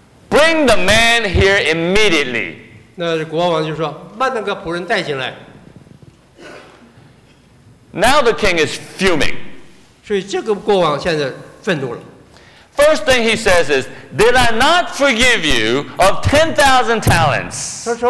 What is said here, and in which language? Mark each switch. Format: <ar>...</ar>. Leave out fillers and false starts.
<en>Bring the man here immediately.</en> <zh>那国王就说,把那个仆人带进来。</zh> <en>Now the king is fuming.</en> <zh>所以这个国王现在愤怒了。</zh> <en>First thing he says is, did I not forgive you of 10,000 talents?</en>